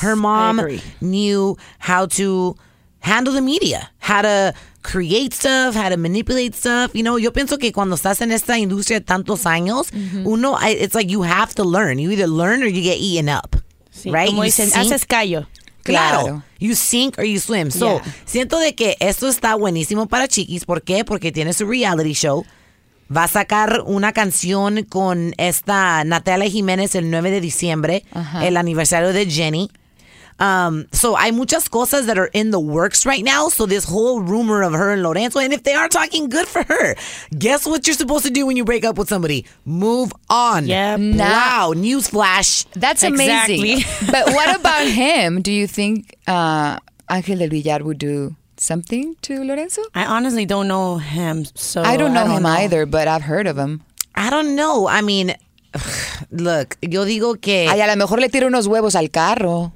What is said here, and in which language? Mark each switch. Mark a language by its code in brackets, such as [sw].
[en] her mom knew how to handle the media, how to create stuff, how to manipulate stuff. [es] You know, yo pienso que cuando estás en esta industria tantos años, mm-hmm. [en] it's like you have to learn. You either learn or you get eaten up. [es] Sí, [en] right? [es] Como dicen, haces callo. [en] Claro. You sink or you swim. So, yeah. [es] Siento de que esto está buenísimo para Chiquis. ¿Por qué? Porque tiene su reality show. Va a sacar una canción con esta Natalia Jiménez el 9 de diciembre, uh-huh. el aniversario de Jenny. [en] So, hay muchas cosas that are in the works right now. So, this whole rumor of her and Lorenzo, and if they are talking, good for her. Guess what you're supposed to do when you break up with somebody? Move on. Yep. Nah. Wow. News flash. That's amazing. Exactly. But what about him? Do you think Ángel del Villar would do something to Lorenzo? I honestly don't know him. So I don't know him either, but I've heard of him. I don't know. I mean... Look, yo digo que... [es] Ay, a lo mejor le tiro unos huevos al carro.